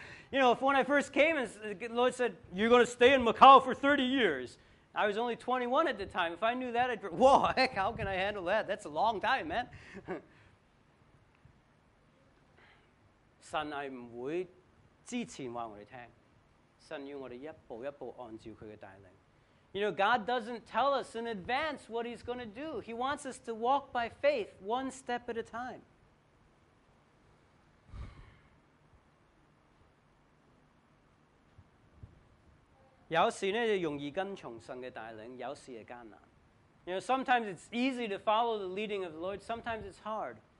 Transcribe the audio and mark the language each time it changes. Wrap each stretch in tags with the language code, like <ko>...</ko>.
<en>You know, when I first came, the Lord said, you're going to stay in Macau for 30 years. I was only 21 at the time. If I knew that, I'd go, whoa, heck, how can I handle that? That's a long time, man.</en> <yue>神是不会之前告诉我们，神要我们一步一步按照祂的带领。</yue> <en>You know, God doesn't tell us in advance what he's going to do. He wants us to walk by faith one step at a time. You know, sometimes it's easy to follow the leading of the Lord. Sometimes it's hard.</en>